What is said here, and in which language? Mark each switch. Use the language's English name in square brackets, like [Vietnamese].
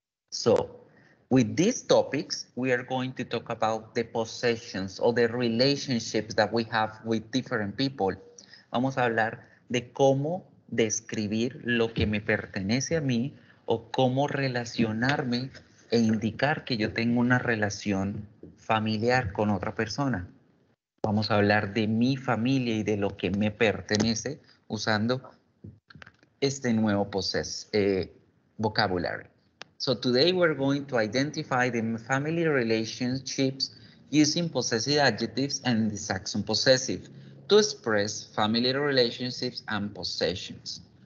[English] So, with these topics, we are going to talk about the possessions or the relationships that we have with different people. [Spanish] Vamos a hablar de cómo describir lo que me pertenece a mí o cómo relacionarme e indicar que yo tengo una relación familiar con otra persona. Vamos a hablar de mi familia y de lo que me pertenece usando este nuevo possess, vocabulary. [English] So today we're going to identify the family relationships using possessive adjectives and the Saxon possessive to express family relationships and possessions.